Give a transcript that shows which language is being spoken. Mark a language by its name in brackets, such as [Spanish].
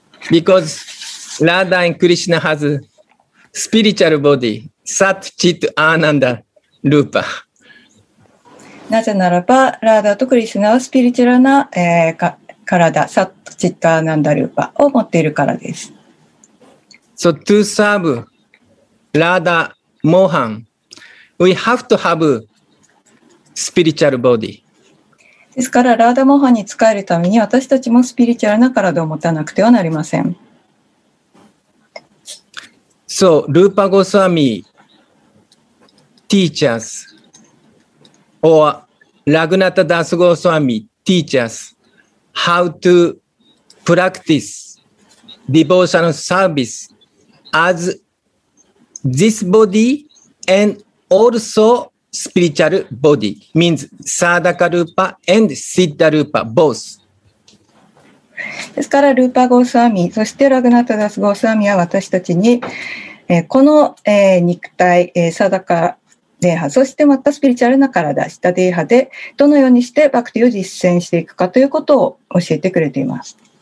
[English] Because Radha and Krishna has spiritual body, Sat, Chit, Ananda, Rupa. [Japanese] なぜならば、ラダとクリシナはスピリチュアルな、体、Sat, Chit, Ananda, Rupa を持っているからです。 [English] So to serve Radha Mohan, we have to haveスピリチュアルボディ。 [Japanese] ですからラーダモハンに使えるために私たちもスピリチュアルな体を持たなくてはなりません。 [English] So, Rupa Goswami teaches or Raghunatha Das Goswami teaches how to practice devotional service as this body and alsospiritual body means sadaka rupa and siddha rupa both [Japanese] ですからルーパゴスワミそしてラグナタダスゴスワミは私たちに、この、肉体、サダカデーハそしてまたスピリチュアルな体シタデーハでどのようにしてバクティを実践していくかということを教えてくれています。